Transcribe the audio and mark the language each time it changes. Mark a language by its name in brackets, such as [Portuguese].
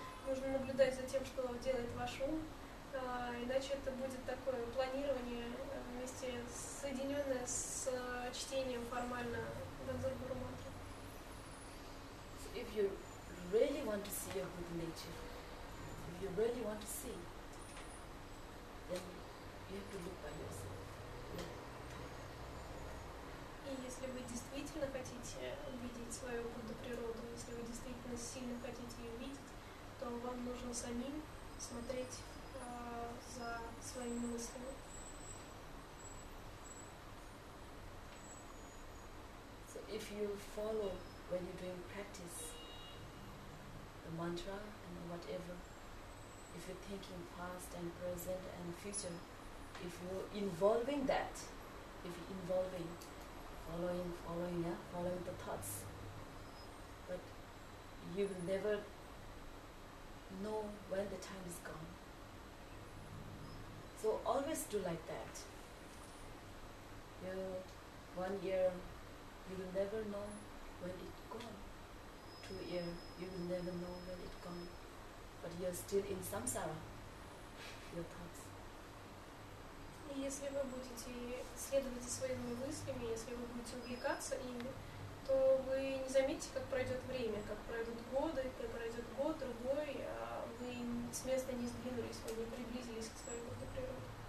[Russian] Нужно наблюдать за тем, что делает ваш ум, иначе это будет такое планирование, вместе соединенное с чтением формально Ганзарбхару мантры. [English] Really want to see your good nature. If you really want to see, then you have to look by yourself. [Russian] И если вы действительно хотите увидеть свою Будду природу, если вы действительно сильно хотите ее видеть, то вам нужно самим смотреть за своими мыслями. [English] So if you follow when you're doing practice, the mantra and whatever, if you're thinking past and present and future, if you're involving that, if you're involving, following the thoughts, but you will never know when the time is gone. So always do like that. You know, 1 year, you will never know when it's gone. 2 years, you will never know when it's gone. But you're still in samsara, your thoughts. [Russian] И если вы будете следовать за своими мыслями, если вы будете увлекаться ими, то вы не заметите, как пройдет время, как пройдут годы, как пройдет год, другой, а вы с места не сдвинулись, вы не приблизились к своей Будде природе.